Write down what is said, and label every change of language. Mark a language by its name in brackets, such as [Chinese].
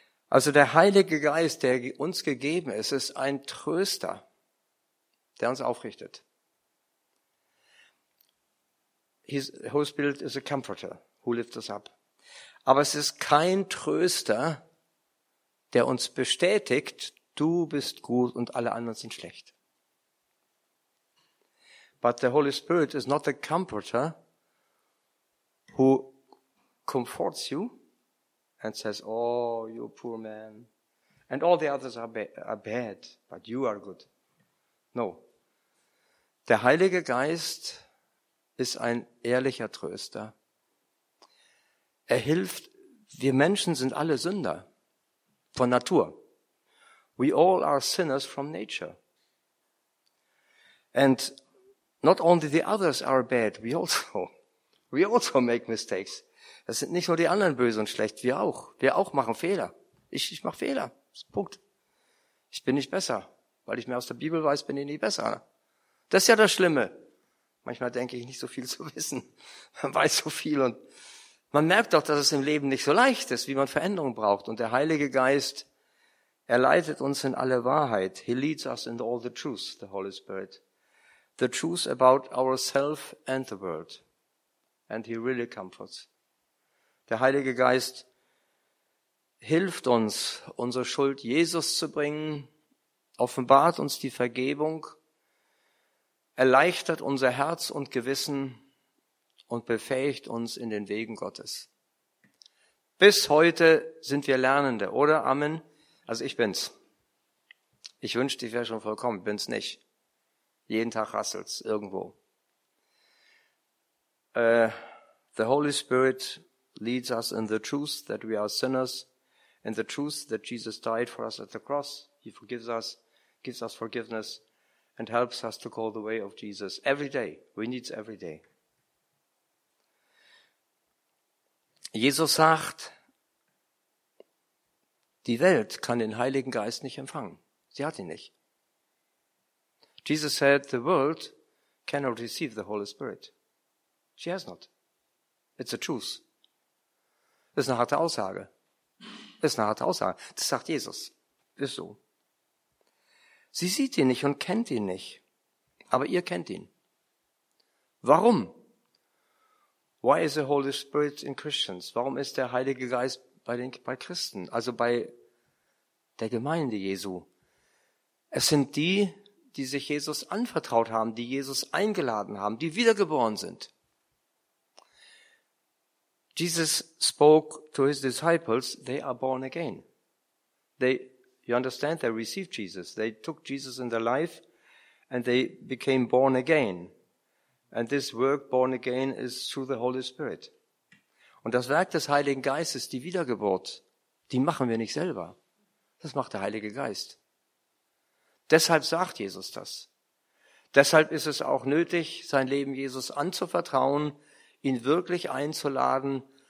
[German] Also der Heilige Geist, der uns gegeben ist, ist ein Tröster, der uns aufrichtet. [English] Holy Spirit is a comforter, who lifts us up. [German] Aber es ist kein Tröster, der uns bestätigt, du bist gut und alle anderen sind schlecht. [English] But the Holy Spirit is not a comforter who comforts you and says, oh, you poor man, and all the others are bad, but you are good. [German] No. Der Heilige Geist ist ein ehrlicher Tröster. Er hilft, wir Menschen sind alle Sünder von Natur. [English] We all are sinners from nature. And not only the others are bad, we also make mistakes. [German] Das sind nicht nur die anderen böse und schlecht, wir auch. Wir auch machen Fehler. Ich mache Fehler. Punkt. Ich bin nicht besser. Weil ich mehr aus der Bibel weiß, bin ich nie besser. Das ist ja das Schlimme. Manchmal denke ich, nicht so viel zu wissen. Man weiß so viel und man merkt doch, dass es im Leben nicht so leicht ist, wie man Veränderung braucht. Und der Heilige Geist, er leitet uns in alle Wahrheit. [English] He leads us in all the truth, the Holy Spirit. The truth about ourselves and the world. And he really comforts. [German] Der Heilige Geist hilft uns, unsere Schuld Jesus zu bringen, offenbart uns die Vergebung, erleichtert unser Herz und Gewissen und befähigt uns in den Wegen Gottes. Bis heute sind wir Lernende, oder? Amen. Also ich bin's. Ich wünschte, ich wäre schon vollkommen, bin's nicht. Jeden Tag rasselt's irgendwo. [English] The Holy Spirit leads us in the truth that we are sinners, in the truth that Jesus died for us at the cross. He forgives us, gives us forgiveness, and helps us to call the way of Jesus every day. We need it every day. [German] Jesus sagt, die Welt kann den Heiligen Geist nicht empfangen. Sie hat ihn nicht. [English] Jesus said, the world cannot receive the Holy Spirit. She has not. It's a truth. [German] Das ist eine harte Aussage. Das ist eine harte Aussage. Das sagt Jesus. Ist so. Sie sieht ihn nicht und kennt ihn nicht. Aber ihr kennt ihn. Warum? [English] Why is the Holy Spirit in Christians? [German] Warum ist der Heilige Geist bei Christen? Also bei der Gemeinde Jesu. Es sind die, die sich Jesus anvertraut haben, die Jesus eingeladen haben, die wiedergeboren sind. [English] Jesus spoke to his disciples, they are born again. They received Jesus. They took Jesus in their life and they became born again. And this work born again is through the Holy Spirit. [German] Und das Werk des Heiligen Geistes, die Wiedergeburt, die machen wir nicht selber. Das macht der Heilige Geist. Deshalb sagt Jesus das. Deshalb ist es auch nötig, sein Leben Jesus anzuvertrauen, ihn wirklich einzuladen.